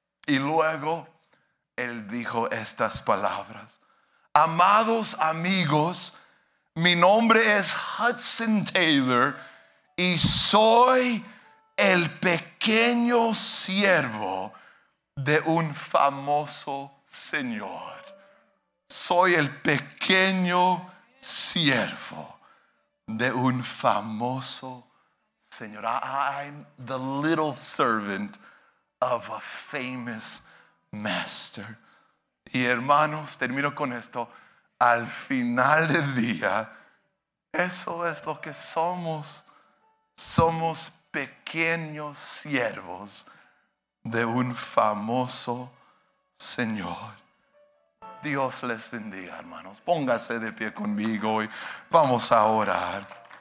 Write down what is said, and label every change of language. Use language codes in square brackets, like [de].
[es] Y luego él dijo estas palabras: amados amigos, mi nombre es Hudson Taylor y soy el pequeño siervo de un famoso señor. soy el pequeño siervo de un famoso Señor. [en] I'm the little servant of a famous master. [es] Y hermanos, termino con esto. Al final del día, eso es lo que somos. Somos pequeños siervos de un famoso Señor. Dios les bendiga, hermanos. Póngase de pie conmigo y vamos a orar.